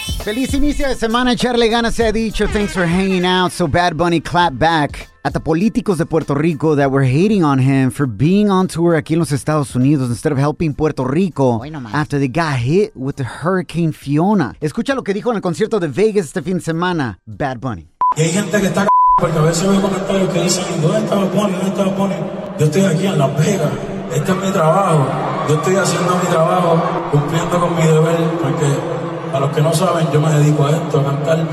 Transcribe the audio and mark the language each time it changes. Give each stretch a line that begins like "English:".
Spanish: Feliz inicio de semana, echarle ganas se ha dicho.
English: Thanks for hanging out. So Bad Bunny clapped back at the
Spanish: políticos de Puerto Rico
English: that were hating on him for being on tour
Spanish: aquí en los Estados Unidos
English: instead of helping Puerto Rico after they got hit with the Hurricane Fiona.
Spanish: Escucha lo que dijo en el concierto de Vegas este fin de semana, Bad Bunny. Y hay gente que está c***, porque a veces veo comentarios que dicen, ¿dónde está Bunny? Yo estoy aquí en Las Vegas, este es mi trabajo, yo estoy haciendo mi trabajo, cumpliendo con mi deber, porque a los que no saben, yo me dedico a esto, a cantar.